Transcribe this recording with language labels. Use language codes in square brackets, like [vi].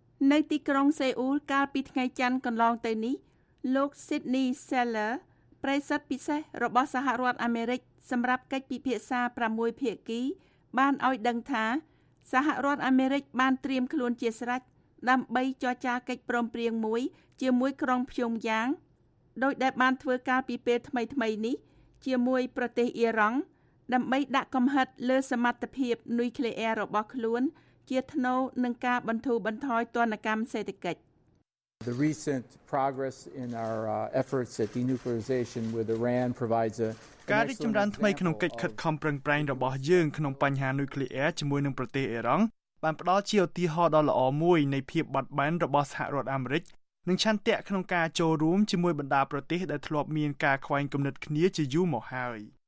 [km] នៅទីក្រុងសេអ៊ូលកាលពីថ្ងៃច័ន្ទកន្លងទៅនេះលោក Sydney Seller ប្រធានពិសេសរបស់សហរដ្ឋអាមេរិកសម្រាប់កិច្ចពិភាក្សា6ភាគីបានឲ្យដឹងថាសហរដ្ឋអាមេរិកបានត្រៀមខ្លួនជាស្រេចដើម្បីចរចាកិច្ចព្រមព្រៀងមួយជាមួយក្រុងព្យុងយ៉ាង ដោយដែលបានធ្វើកាលពីពេលថ្មីៗនេះជាមួយប្រទេសអ៊ីរ៉ង់ដើម្បីដាក់កំហិតលើសមត្ថភាពនុយក្លេអ៊ែររបស់ខ្លួនជាថ្នូវនឹងការបន្ធូរបន្ថយទណ្ឌកម្មសេដ្ឋកិច្ច [en] The recent progress in our efforts at denuclearization with Iran provides a [km] ការរីកចម្រើនថ្មីក្នុងកិច្ចខិតខំប្រឹងប្រែងរបស់យើងក្នុងបញ្ហានុយក្លេអ៊ែរជាមួយនឹងប្រទេសអ៊ីរ៉ង់បានផ្ដល់ជាឧទាហរណ៍ដ៏ល្អមួយនៃភាពបត់បែនរបស់សហរដ្ឋអាមេរិកនិងឆន្ទៈក្នុងការចូលរួមជាមួយបណ្ដាប្រទេសដែលធ្លាប់មានការខ្វែងគំនិតគ្នាជាយូរមកហើយ